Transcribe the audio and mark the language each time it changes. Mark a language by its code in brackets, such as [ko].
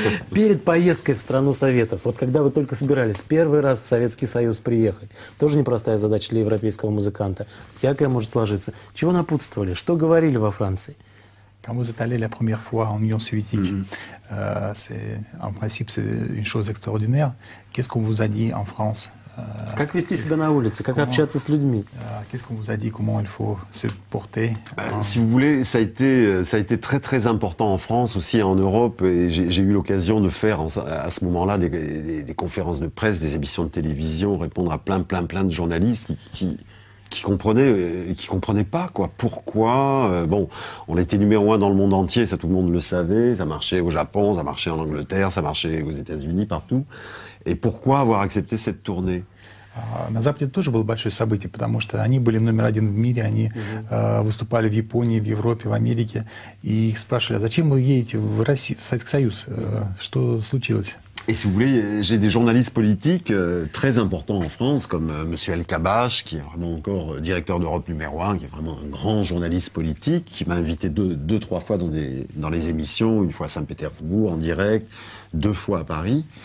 [ru] Перед поездкой в страну Советов, вот когда вы только собирались первый раз в Советский Союз приехать, тоже непростая задача для европейского музыканта. Всякое может сложиться. Чего напутствовали? Что говорили во Франции? [fr] Quand vous êtes allé la première fois en Union soviétique, c'est, en principe, c'est une chose extraordinaire. Qu'est-ce qu'on vous a dit en France? [ru] Как вести себя на улице, как общаться с людьми? [fr] Qu'est-ce qu'on vous a dit, comment il faut se porter? Si vous voulez, ça a été très très important en France aussi, en Europe, et j'ai eu l'occasion de faire à ce moment-là des conférences de presse, des émissions de télévision, répondre à plein de journalistes qui comprenaient pas quoi, pourquoi. Bon, on était numéro un dans le monde entier, ça tout le monde le savait, ça marchait au Japon, ça marchait en Angleterre, ça marchait aux États-Unis, partout. Et pourquoi avoir accepté cette tournée? [ru] На Западе тоже было большое событие, потому что они были номер один в мире, они выступали в Японии, в Европе, в Америке, и их спрашивали, а зачем вы едете в Россию, в Советский Союз? Что случилось? [fr] Et si vous voulez, j'ai des journalistes politiques très importants en France, comme M. El Kabache, qui est vraiment encore directeur d'Europe numéro 1, qui est vraiment un grand journaliste politique, qui m'a invité deux, trois fois dans les émissions, une fois à Saint-Pétersbourg en direct, deux fois à Paris.